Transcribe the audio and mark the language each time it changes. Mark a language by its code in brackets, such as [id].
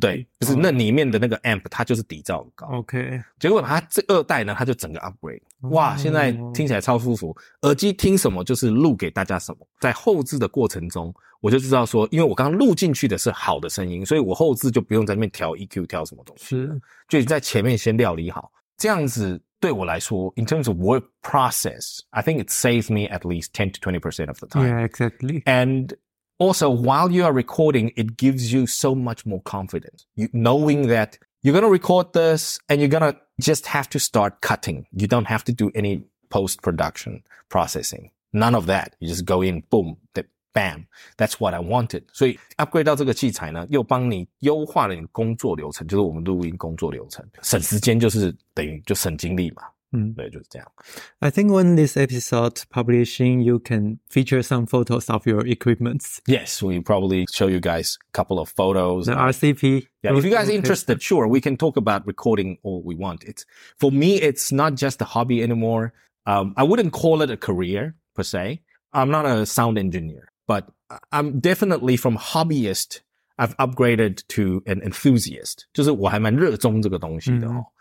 [zh] 对，不是、哦、那里面的那个 amp 它就是底噪很高。 [en] OK， [zh] 结果它这二代呢，它就整个 upgrade， 哇、哦，现在听起来超舒服。耳机听什么就是录给大家什么，在后置的过程中，我就知道说，因为我刚刚录进去的是好的声音，所以我后置就不用在那边调 EQ 调什么东西，是，就在前面先料理好。 [en] 这样子对我来说，in terms of work process， I think it saves me at least 10-20% of the time. Yeah, exactly. And also, while you are recording, it gives you so much more confidence. You, knowing that you're going to record this and you're going to just have to start cutting. You don't have to do any post-production processing. None of that. You just go in, boom, bam. That's what I wanted. [zh] 所以 upgrade 到这个器材呢，又帮你优化了你工作流程，就是我们录音工作流程，省时间就是等于就省精力嘛。嗯，对，就是这样。 [en] I think when this episode publishing, you can feature some photos of your equipments. Yes, we probably show you guys a couple of photos. The RCP. Yeah, if you guys are interested, sure, we can talk about recording all we want. It's, for me, it's not just a hobby anymore. I wouldn't call it a career, per se. I'm not a sound engineer, but I'm definitely from hobbyist, I've upgraded to an enthusiast. [zh] 就是我还蛮热衷这个东西的哦。